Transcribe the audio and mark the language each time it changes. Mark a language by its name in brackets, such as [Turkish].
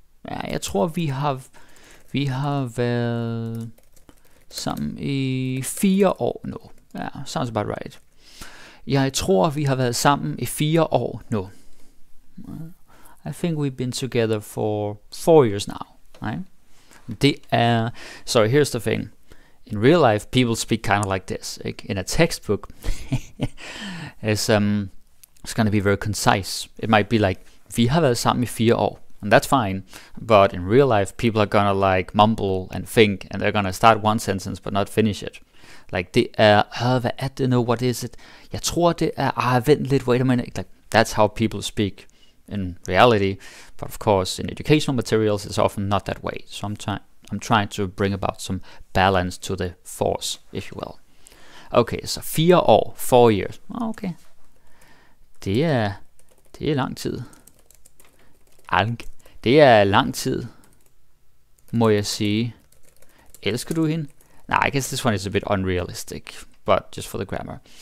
[Danish] Ja, jeg tror, vi har været sammen i 4 år nu. Ja, [English] sounds about right. [Danish] Jeg tror, vi har været sammen i 4 år nu. [English] I think we've been together for 4 years now, right? [Danish] Det er... [English] So here's the thing. In real life, people speak kind of like this. Like in a textbook, it's going to be very concise. It might be like, [Danish] vi har været sammen i 4 år. [English] And that's fine, but in real life, people are gonna like mumble and think, and they're gonna start one sentence but not finish it. [Danish] Like, det er, hvad er det nu, [English] what is it? [Danish] Jeg tror det er, vent lidt, [English] wait a minute. Like, that's how people speak in reality, but of course, in educational materials, it's often not that way. So I'm trying to bring about some balance to the force, if you will. [Danish] Okay, så 4 år, [English] 4 years. [Danish] Okay. Det er lang tid. Det er lang tid, må jeg sige. Elsker du hende? [English] Nej, I guess this one is a bit unrealistic, but just for the grammar.